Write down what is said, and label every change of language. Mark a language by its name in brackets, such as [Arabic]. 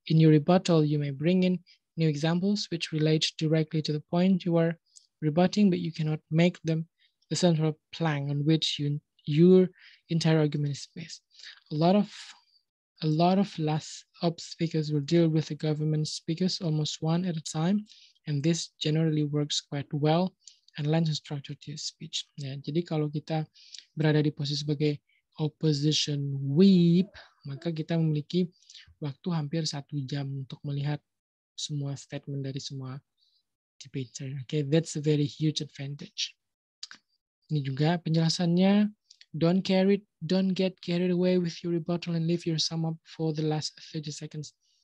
[English] In your rebuttal, you may bring in new examples which relate directly to the point you are rebutting, but you cannot make them the central plank on which your entire argument is based. A lot of last op speakers will deal with the government speakers almost one at a time, and this generally works quite well and lends a structure to your speech. [Indonesian] Yeah, jadi kalau kita berada di posisi sebagai opposition whip, maka kita memiliki waktu hampir 1 jam untuk melihat semua statement dari semua debater. [English] Okay, that's a very huge advantage. [Indonesian] Ini juga penjelasannya, [English] don't get carried away with your rebuttal and leave your sum up for the last 30 seconds.